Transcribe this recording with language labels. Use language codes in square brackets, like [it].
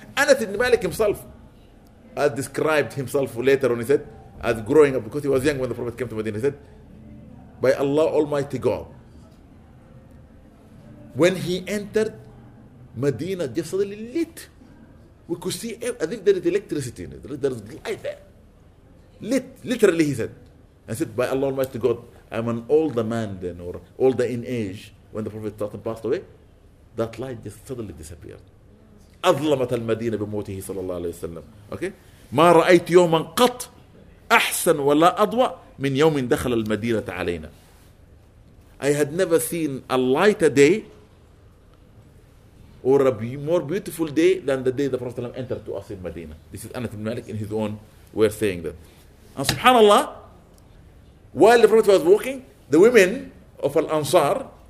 [en] Anas ibn Malik himself, as described himself later on, he said, as growing up, because he was young when the Prophet came to Medina, he said, by Allah Almighty God, when he entered Medina, just suddenly lit. We could see, I think there is electricity in it. There is light there. Lit, literally, he said. I said, by Allah Almighty God, I'm an older man then, or older in age, when the Prophet started and passed away. That light just suddenly disappeared. [ar] أظلمت المدينة بموته صلى الله عليه وسلم. [en] Okay? [ar] ما رأيت يوما قط أحسن ولا أضواء من يوم دخل المدينة علينا. [en] I had never seen a lighter day or a more beautiful day than the day the Prophet ﷺ entered to us in Medina. This is Anas ibn Malik in his own way saying that. And subhanAllah, while the Prophet was walking, the women of Al-Ansar